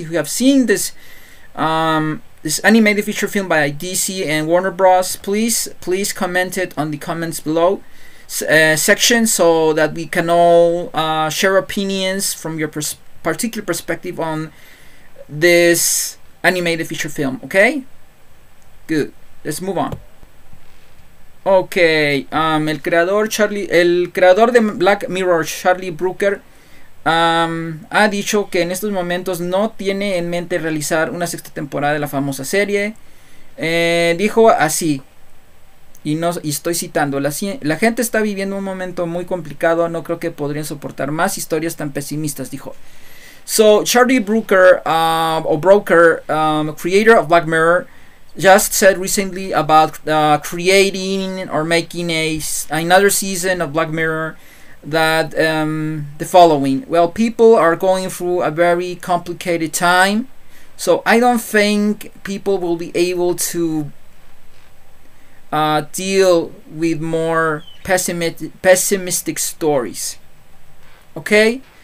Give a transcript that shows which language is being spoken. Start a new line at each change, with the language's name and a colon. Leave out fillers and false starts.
English: If you have seen this animated feature film by DC and Warner Bros., please comment it on the comments below. Section so that we can all share opinions from your particular perspective on this animated feature film. Okay? Good. Let's move on.
Spanish: Ok, el creador de Black Mirror, Charlie Brooker, ha dicho que en estos momentos no tiene en mente realizar una sexta temporada de la famosa serie. Dijo así, y, no, y estoy citando, la gente está viviendo un momento muy complicado, no creo que podrían soportar más historias tan pesimistas, dijo.
English: So, Charlie Brooker, o Broker, creator of Black Mirror, just said recently about creating or making another season of Black Mirror that the following. Well, people are going through a very complicated time, so I don't think people will be able to deal with more pessimistic stories. Okay?